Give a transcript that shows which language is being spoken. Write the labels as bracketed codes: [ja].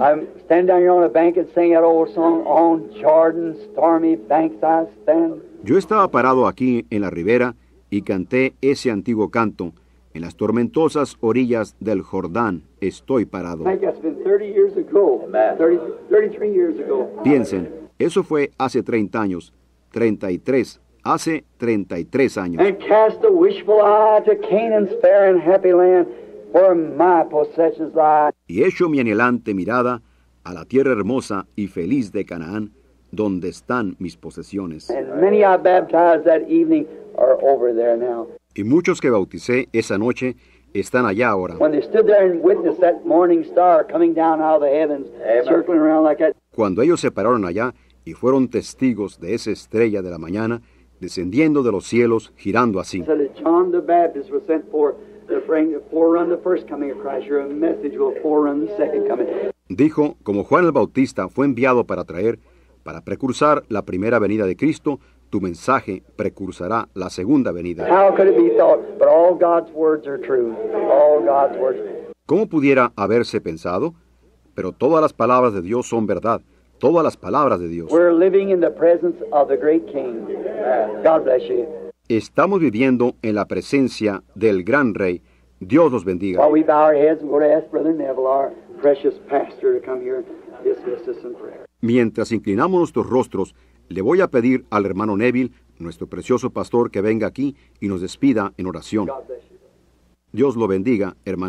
[en] I'm standing down here on a bank and singing that old song, on Jordan's stormy banks I stand. [es] Yo estaba parado aquí en la ribera y canté ese antiguo canto, en las tormentosas orillas del Jordán estoy parado. [en] I guess it's been 30 years ago. 33 years ago. [es] Piensen, eso fue hace 30 años. 33, hace 33 años. [en] And cast a wishful eye to Canaan's fair and happy land, where my possessions lie. [es] Y echo mi anhelante mirada a la tierra hermosa y feliz de Canaán, donde están mis posesiones. [en] And many I baptized that evening are over there now. [es] Y muchos que bauticé esa noche están allá ahora. [en] When they stood there and witnessed that morning star coming down out of the heavens, amen, circling around like that. [es] Cuando ellos se pararon allá y fueron testigos de esa estrella de la mañana descendiendo de los cielos, girando así. [en] John the Baptist was sent for to forerun the first coming of Christ. Your message will forerun the second coming. [es] Dijo, como Juan el Bautista fue enviado para traer, para precursar la primera venida de Cristo, tu mensaje precursará la segunda venida. [en] How could it be thought? But all God's words are true. All God's words. [es] ¿Cómo pudiera haberse pensado? Pero todas las palabras de Dios son verdad. Todas las palabras de Dios. [en] We're living in the presence of the great King. God bless you. [es] Estamos viviendo en la presencia del gran rey. Dios los bendiga. [en] While we bow our heads, we're going to ask Brother Neville, our precious pastor, to come here and dismiss us in prayer. [es] Mientras inclinamos nuestros rostros, le voy a pedir al hermano Neville, nuestro precioso pastor, que venga aquí y nos despida en oración. Dios lo bendiga, hermano Neville.